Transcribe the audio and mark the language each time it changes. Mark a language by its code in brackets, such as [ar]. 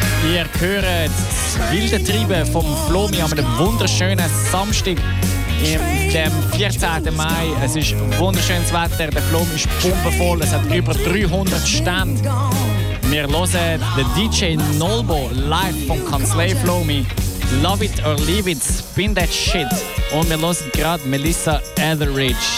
[de] Ihr hört das wilde Treiben vom Flomi an einem wunderschönen Samstag, dem 14. Mai. Es ist wunderschönes Wetter, der Flomi ist pumpenvoll, es hat über 300 Stände. Wir hören den DJ Nolbo live vom Kanzlei Flomi. [en] Love it or leave it, spin that shit. [de] Und wir hören gerade Melissa Etheridge.